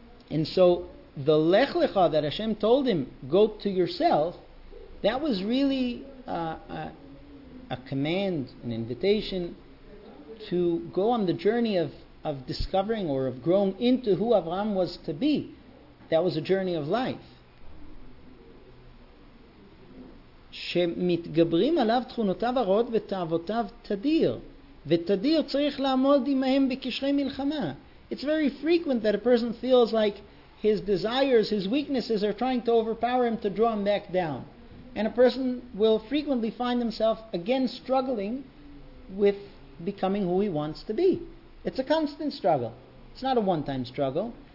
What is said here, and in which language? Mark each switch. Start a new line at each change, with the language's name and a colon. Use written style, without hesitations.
English: And so the Lech Lecha that Hashem told him, go to yourself, that was really a command, an invitation to go on the journey of discovering or of growing into who Avraham was to be. That was a journey of life.
Hebrew: שמתגברים עליו תכונותיו הרעות ותאוותיו תדיר, ותדיר צריך לעמוד עמהם בקשרי מלחמה.
English: It's very frequent that a person feels like his desires, his weaknesses are trying to overpower him, to draw him back down. And a person will frequently find himself again struggling with becoming who he wants to be. It's a constant struggle. It's not a one-time struggle.